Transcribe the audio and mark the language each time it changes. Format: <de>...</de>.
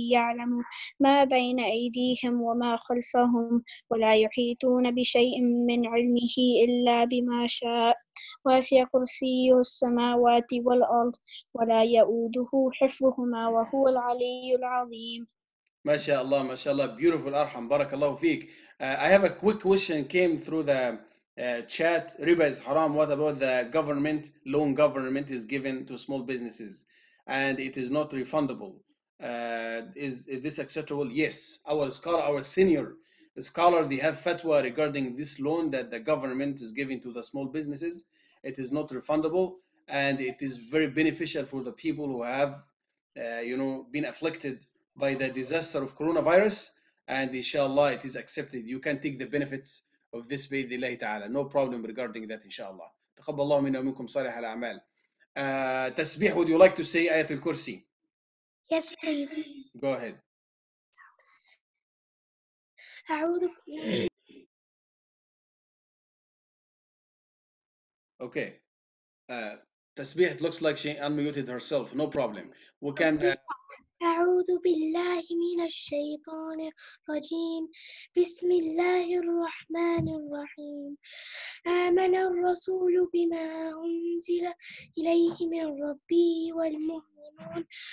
<ar>يعلم ما بين أيديهم وما خلفهم. ولا يحيطون بشيء من علمه إلا بما شاء. واسع كرسيه السماوات والأرض. ولا يؤوده حفظهما وهو العلي العظيم. ما شاء الله ما شاء الله.</ar> <en>Beautiful</en> <ar>أرحم. بارك الله فيك.</ar> <en>I have a quick question came through the chat. Riba is haram. What about the government loan? Government is given to small businesses and it is not refundable. Is this acceptable? Yes, our scholar, our senior scholar, they have fatwa regarding this loan that the government is giving to the small businesses. It is not refundable and it is very beneficial for the people who have been afflicted by the disaster of coronavirus, and inshallah it is accepted. You can take the benefits of this bid lillahi ta'ala. No problem regarding that, inshallah.</en> <ar>تقبل الله منا ومنكم صالح الأعمال.</ar> <en>Tasbih, would you like to say آيات الكرسي? Yes, please. Go ahead.</en> <ar>أعوذ.</ar> <en>Okay. Tasbih, it looks like she unmuted herself. No problem. We can...</en> <ar>أعوذ بالله من الشيطان الرجيم. بسم الله الرحمن الرحيم. آمن الرسول بما أنزل إليه من ربي والمؤمنون.</ar>